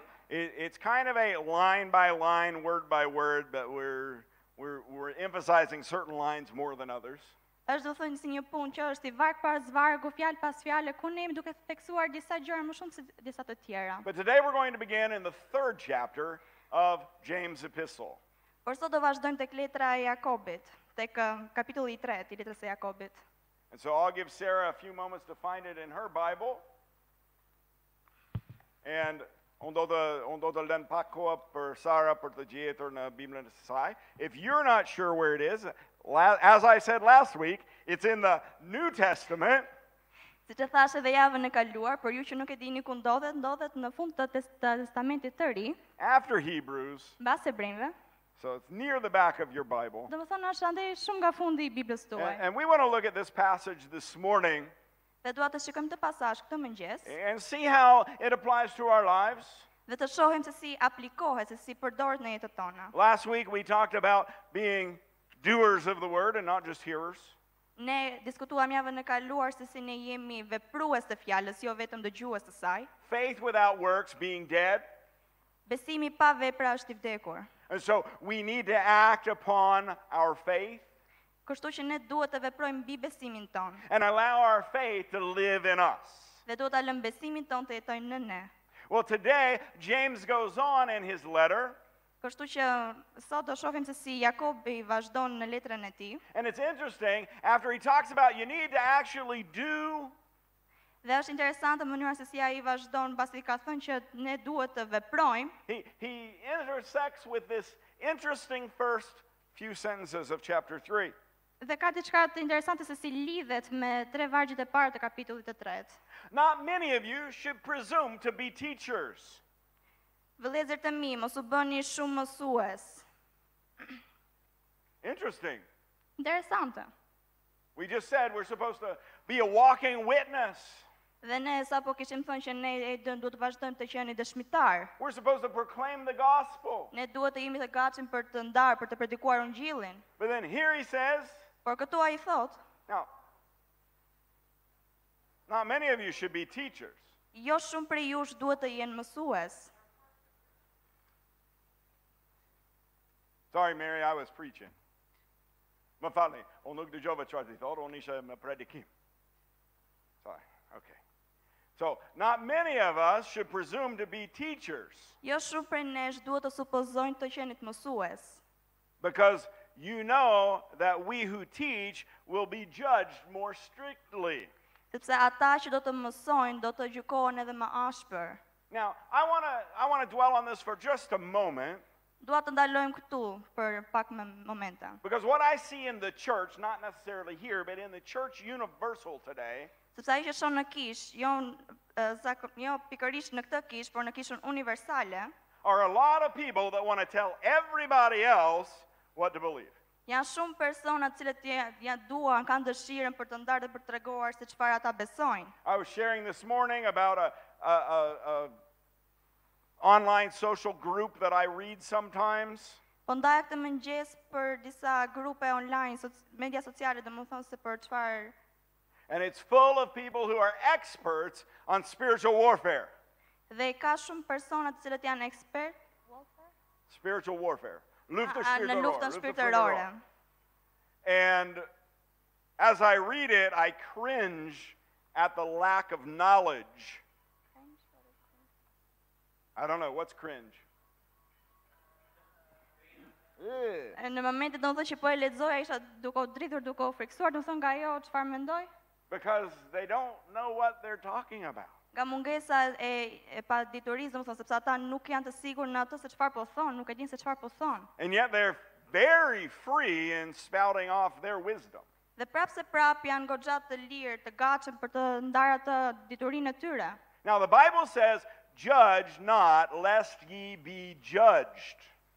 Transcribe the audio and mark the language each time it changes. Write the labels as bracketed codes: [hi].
[en] It's kind of a line by line, word by word, but we're emphasizing certain lines more than others. [sq] Është do thënë si një punë që është i varg pas vargu, fjalë pas fjalë, ku ne jemi duke theksuar disa gjëra më shumë se disa të tjera. [en] But today we're going to begin in the third chapter of James' epistle. [sq] Por sot do vazhdojmë tek letra e Jakobit, tek kapitulli i tretë i letrës së Jakobit. [en] And so I'll give Sarah a few moments to find it in her Bible. [sq] And on do të lënë pak kohë për Sara për të gjetur në Biblën e saj. [en] If you're not sure where it is, as I said last week, it's in the New Testament. [sq] Siç e thash edhe javën e kaluar, por ju që nuk e dini ku ndodhet, ndodhet në fund të Testamentit të Ri. [en] After Hebrews. [sq] Mbas Hebrejve. [en] So it's near the back of your Bible. [sq] Do të thonë është ende shumë nga fundi I Biblës tuaj. [en] And we want to look at this passage this morning. [sq] Dhe dua të shikojmë këtë pasazh këtë mëngjes. [en] And see how it applies to our lives. [sq] Dhe të shohim se si aplikohet, se si përdoret në jetën tonë. [en] Last week we talked about being doers of the word and not just hearers. [sq] Ne diskutuam javën e kaluar se si ne jemi veprues të fjalës, jo vetëm dëgjues të saj. [en] Faith without works being dead. [sq] Besimi pa vepra është I vdekur. [en] And so we need to act upon our faith. [sq] Kështu që ne duhet të veprojmë mbi besimin ton. [en] And allow our faith to live in us. [sq] Dhe duhet ta lëmë besimin ton të jetojë në ne. [en] Well, today James goes on in his letter. [sq] Kështu që sot do shohim se si Jakobi vazhdon në letrën e tij. [en] And it's interesting after he talks about you need to actually do. [sq] Dhe është interesante mënyra se si ai vazhdon pasi ka thënë që ne duhet të veprojmë. [en] He intersects with this interesting first few sentences of chapter 3. [sq] Dhe ka diçka të interesante se si lidhet me tre vargjet e parë të kapitullit të tretë. [en] Not many of you should presume to be teachers. [sq] Vëllezër të mi, mos u bëni shumë mësues. [en] Interesting. [sq] Interesante. [en] We just said we're supposed to be a walking witness. [sq] Dhe ne sapo kishim thënë që ne duhet të vazhdojmë të qenë dëshmitar. [en] We're supposed to proclaim the gospel. [sq] Ne duhet të jemi të gatshëm për të ndarë, për të predikuar ungjillin. [en] But then here he says. [sq] Por këtu ai thot. [en] Now. Not many of you should be teachers. [sq] Jo shumë prej jush duhet të jenë mësues. [en] Sorry, Mary, I was preaching. [sq] Më falni, unë nuk dëgjova çfarë thotë, unë isha me predikim. [en] Sorry, okay. So, not many of us should presume to be teachers. [sq] Jo shumë prej nesh duhet të supozojnë të qenit mësues. [en] Because you know that we who teach will be judged more strictly. [sq] Sepse ata që do të mësojnë do të gjykohen edhe më ashpër. [en] Now, I want to dwell on this for just a moment. [sq] Dua të ndalojmë këtu për pak momente. [en] Because what I see in the church, not necessarily here, but in the church universal today, [sq] sepse ajo që shon në kish, jo pikërisht në këtë kish, por në kishën universale, [en] are a lot of people that want to tell everybody else what to believe. [sq] Janë shumë persona të cilët duan, kanë dëshirën për të ndarë dhe për të treguar se çfarë ata besojnë. [en] I was sharing this morning about a online social group that I read sometimes. [sq] Po ndaj këtë mëngjes për disa grupe online, media sociale, domethënë se për çfarë. [en] And it's full of people who are experts on spiritual warfare. [sq] Dhe ka shumë persona të cilët janë ekspert [en] spiritual warfare. [sq] Luftën shpirtërore. [en] And as I read it, I cringe at the lack of knowledge. I don't know, what's cringe? [sq] Në momentin domethënë që po e lexoja isha duke u dridhur, duke u friksuar, domethënë nga ajo çfarë mendoj? [en] Because they don't know what they're talking about. [sq] Nga mungesa e paditurisë, domethënë sepse ata nuk janë të sigurt në atë se çfarë po thon, nuk e dinë se çfarë po thon. [en] And yet they're very free in spouting off their wisdom. [sq] Dhe prapse prap janë goxha të lirë, të gatshëm për të ndarë atë diturinë e tyre. [en] Now the Bible says judge not, lest ye be judged.